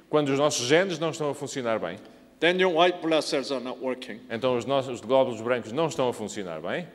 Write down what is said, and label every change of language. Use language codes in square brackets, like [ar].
[pt] quando os nossos genes não estão a funcionar bem, [en] then your white blood cells are not working. [pt] Então os glóbulos brancos não estão a funcionar bem.